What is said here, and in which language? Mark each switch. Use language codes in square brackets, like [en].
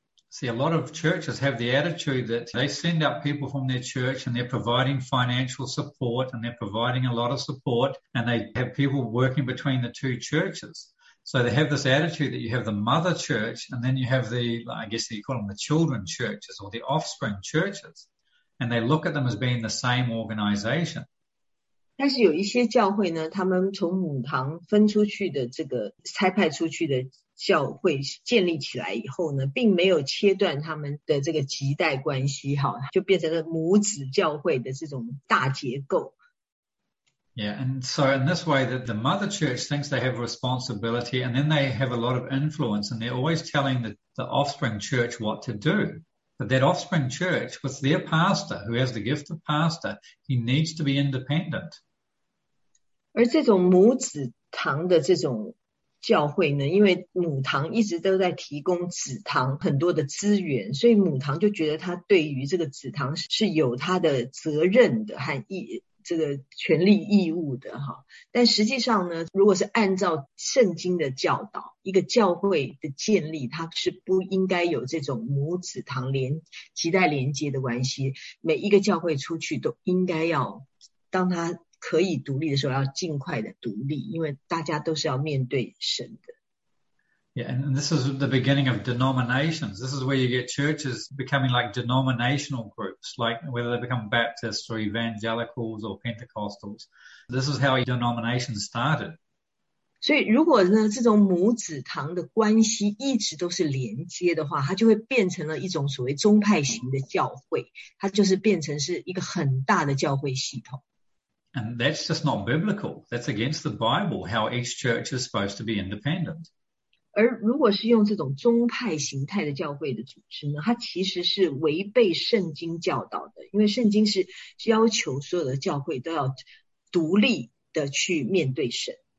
[en] See, a lot of churches have the attitude that they send out people from their church and they're providing financial support and they're providing a lot of support and they have people working between the two churches. So they have this attitude that you have the mother church and then you have the, I guess you call them the children churches or the offspring churches. And they look at them as being the same organization. [zh] 但是有一些教会呢，他们从母堂分出去的这个差派出去的教会建立起来以后呢，并没有切断他们的这个亲代关系，好，就变成了母子教会的这种大结构。 [en] Yeah, and so in this way that the mother church thinks they have responsibility and then they have a lot of influence and they're always telling the offspring church what to do. But that offspring church with their pastor who has the gift of pastor, he needs to be independent. [zh] 而这种母子堂的这种教会呢，因为母堂一直都在提供子堂很多的资源，所以母堂就觉得他对于这个子堂是有他的责任的和义这个权利义务的哈。但实际上呢，如果是按照圣经的教导，一个教会的建立，它是不应该有这种母子堂连亲代连接的关系。每一个教会出去都应该要当他可以独立的时候要尽快的独立，因为大家都是要面对神的。 [en] Yeah, and this is the beginning of denominations. This is where you get churches becoming like denominational groups, like whether they become Baptists or Evangelicals or Pentecostals. This is how a denomination started. [zh] 所以如果呢，这种母子堂的关系一直都是连接的话，它就会变成了一种所谓宗派型的教会，它就是变成是一个很大的教会系统。 [en] And that's just not biblical. That's against the Bible, how each church is supposed to be independent. [zh] 而如果是用这种宗派形态的教会的组织呢，它其实是违背圣经教导的，因为圣经是要求所有的教会都要独立的去面对神。